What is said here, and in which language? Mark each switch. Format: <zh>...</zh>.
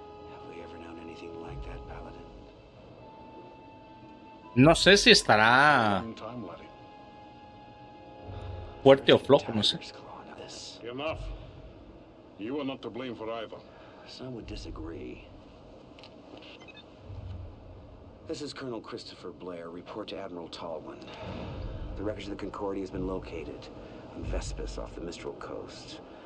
<en>Have we ever known anything like that, Paladin?</en> <es>No sé si estará fuerte o flojo, no sé.</es> <en>Enough. You are not to blame for either. Some would disagree. This is Colonel Christopher Blair. Report to Admiral Tallwin. The wreckage of the Concordia has been located on Vespis off the Mistral Coast.</en>